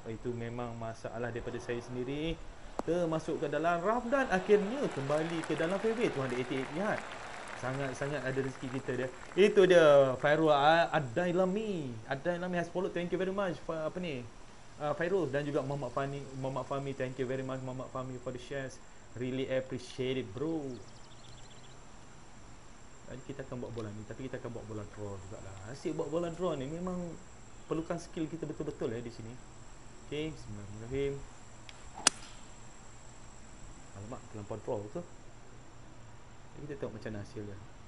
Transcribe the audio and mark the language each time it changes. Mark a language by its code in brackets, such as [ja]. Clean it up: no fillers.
[ms] Itu memang masalah daripada saya sendiri. Termasuk ke dalam rough dan akhirnya kembali ke dalam fairway 288 yard. Sangat-sangat ada rezeki kita dia. Itu dia Fairul Adailami. Adailami [en] has followed. Thank you very much for, [ms] apa ni? Fairul dan juga Muhammad Fahmi. [en] Muhammad Fahmi, thank you very much Muhammad Fahmi for the shares. Really appreciate it bro. [ms] Dan kita akan buat bola ni, tapi kita akan buat bola draw jugaklah. Asyik buat bola draw ni memang perlukan skill kita betul-betul ya di sini. Okey, bismillahirrahmanirrahim. Alamak, terlampau draw ke? Jadi kita tengok macam hasil dia.